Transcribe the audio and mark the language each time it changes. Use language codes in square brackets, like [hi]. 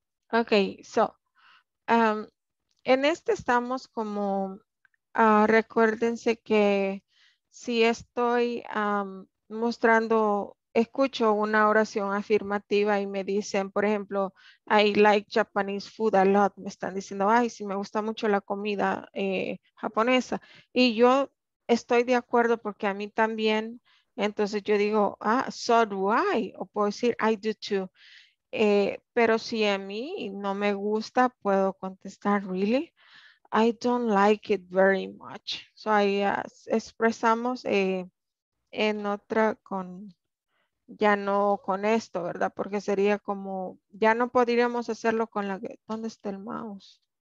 [es] Okay, so, en este estamos como, recuérdense que si estoy mostrando, escucho una oración afirmativa y me dicen, por ejemplo, [en] I like Japanese food a lot. [es] Me están diciendo, ay, sí, me gusta mucho la comida japonesa. Y yo estoy de acuerdo porque a mí también. Entonces yo digo, ah, [en] so do I. [es] O puedo decir, [en] I do too. [es] Pero si a mí no me gusta, puedo contestar, [en] really, I don't like it very much. [es] So ahí expresamos en otra con, ya no con esto, ¿verdad? Porque sería como, ya no podríamos hacerlo con la, ¿dónde está el mouse?